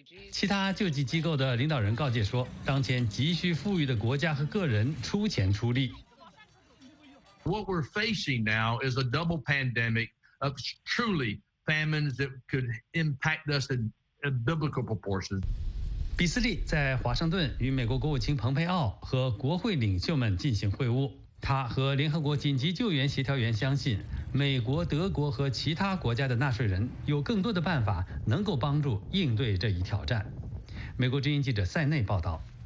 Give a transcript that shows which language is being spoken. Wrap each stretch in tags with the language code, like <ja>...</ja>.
<zh>其他救济机构的领导人告诫说，当前急需富裕的国家和个人出钱出力。</zh> <en>What we're facing now is a double pandemic of truly. Famines that could impact us in biblical proportions.</en> <zh>比斯利在华盛顿与美国国务卿蓬佩奥和国会领袖们进行会晤。他和联合国紧急救援协调员相信，美国、德国和其他国家的纳税人有更多的办法能够帮助应对这一挑战。美国之音记者塞内报道。</zh>